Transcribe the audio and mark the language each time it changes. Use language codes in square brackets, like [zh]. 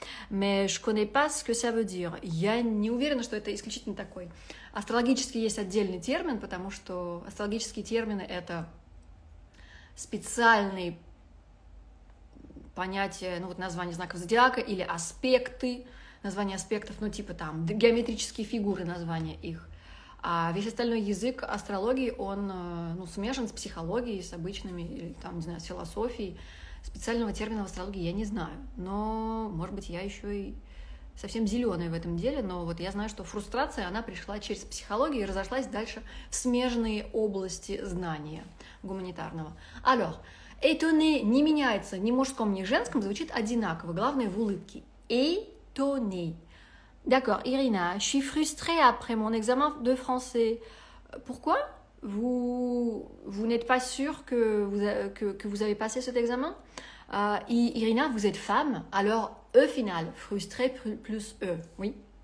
[fr] Mais je connais pas ce que ça veut dire. [ru] Я не уверена, что это исключительно такой. Астрологически есть отдельный термин, потому что астрологические термины — это специальные понятия, ну вот название знаков зодиака или аспекты, названия аспектов, ну типа там геометрические фигуры, названия их. А весь остальной язык астрологии, он, ну, смешан с психологией, с обычными, или, там, не знаю, с философией. Специального термина в астрологии я не знаю. Но, может быть, я еще и совсем зеленая в этом деле, но вот я знаю, что фрустрация, она пришла через психологию и разошлась дальше в смежные области знания гуманитарного. Алло, это не меняется ни в мужском, ни в женском, звучит одинаково, главное в улыбке. Это не. [fr] D'accord, Irina, je suis frustrée après mon examen de français. Pourquoi? Vous n'êtes pas sûre que vous avez passé cet examen? Irina, vous êtes femme, alors E final, frustrée plus E, oui.